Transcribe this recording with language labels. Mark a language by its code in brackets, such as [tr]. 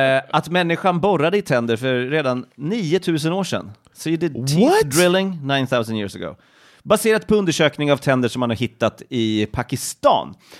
[sv] att människan borrade i tänder för redan 9000 år sedan. [en] So you did teeth drilling 9000 years ago. [sv] Baserat på undersökning av tänder som man har hittat i Pakistan.